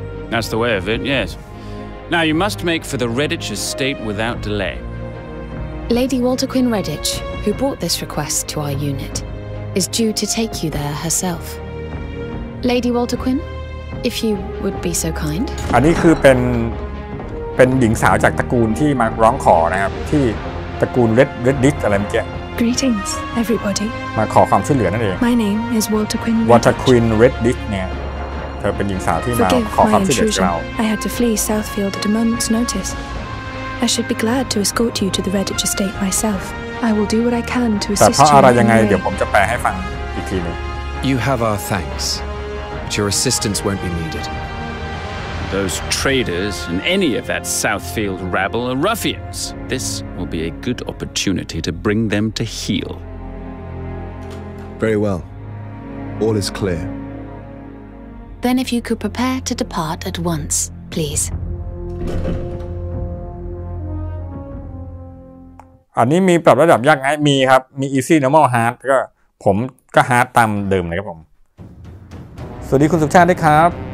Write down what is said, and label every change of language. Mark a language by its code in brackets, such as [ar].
[en] That's the way of it, yes. Now you must make for the Redditch estate without delay. Lady Walter Quinn Redditch, who brought this request to our unit, is due to take you there herself. Lady Walter Quinn, if you would be so kind. [th] อันนี้คือเป็นหญิงสาวจากตระกูลที่มาร้องขอนะครับที่ตระกูล Redditch อะไรเมื่อกี้ [en] Greetings, everybody. [th] มาขอความช่วยเหลือนั่นเอง [en] My name is Walter Quinn. [th] Walter Quinn Redditch เนี่ยเธอเป็นหญิงสาวที่มาขอความช่วยเหลือจากเรา [en] I had to flee Southfield at a moment's notice. I should be glad to escort you to the Redditch estate myself. I will do what I can to assist you. [th] แต่เพราะอะไรยังไงเดี๋ยวผมจะแปลให้ฟังอีกทีนึง [en] You have our thanks, but your assistance won't be needed. Those traders and any of that Southfield rabble are ruffians. This will be a good opportunity to bring them to heel. Very well. All is clear. Then if you could prepare to depart at once, please. [th] อันนี้มีปรับระดับยากไงมีครับมี easy normal hard แล้วก็ผมก็ hard ตามเดิมนะครับผมสวัสดีคุณสุชาติด้วยครับ